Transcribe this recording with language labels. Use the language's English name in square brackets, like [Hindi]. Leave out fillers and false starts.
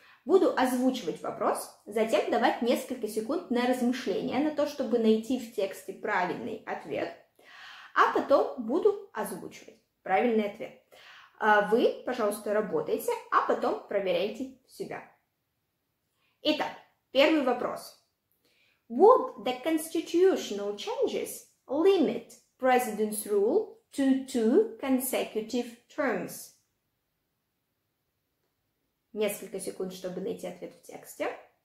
[Russian] Буду озвучивать вопрос, затем давать несколько секунд на размышление, на то, чтобы найти в тексте правильный ответ, а потом буду озвучивать правильный ответ. Вы, пожалуйста, работайте, а потом проверяйте себя. Итак, первый вопрос. [English] Would the constitutional changes limit president's rule to 2 consecutive terms? [Russian] Несколько секунд, чтобы найти ответ в тексте.